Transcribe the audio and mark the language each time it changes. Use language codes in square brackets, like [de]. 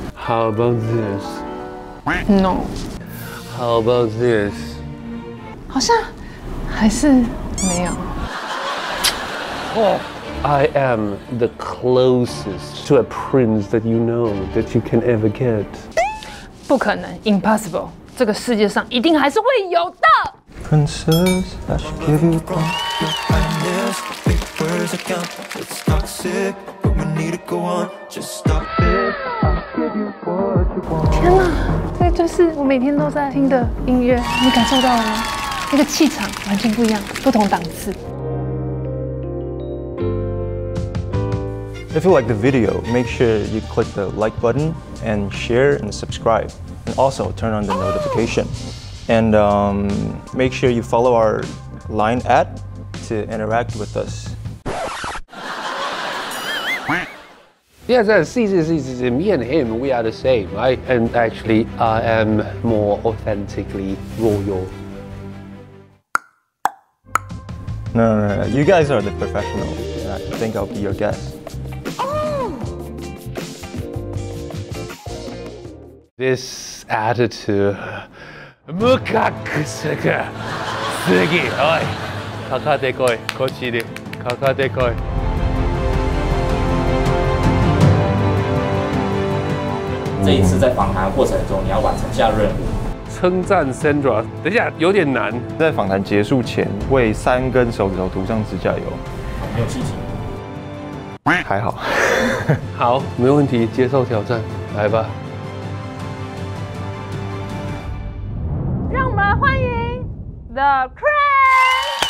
[en] How about this? No. How about this? [zh] 好像还是没有。 [en] I am the closest to a prince that you know that you can ever get. 不可能 ， impossible. [zh] 这个世界上一定还是会有的。 [en] Princess, I should give you a call. [zh] 天哪，这就是我每天都在听的音乐，你感受到了吗？那个气场完全不一样，不同档次。 [en] If you like the video, make sure you click the like button and share and subscribe and also turn on the notification. And make sure you follow our LINE app to interact with us. Yes, see, me and him, we are the same, right? And actually, I am more authentically royal. No. You guys are the professional. I think I'll be your guest. This attitude, mukak sega, sugi, oi, kaka de koi, kochi de, kaka de koi. This time in the interview process, you have to complete the mission. [zh] 称赞 Sandra， 等一下有点难。在访谈结束前，为三根手指头涂上指甲油。没有信心。还好。好，没问题，接受挑战，来吧。让我们欢迎 The Crane。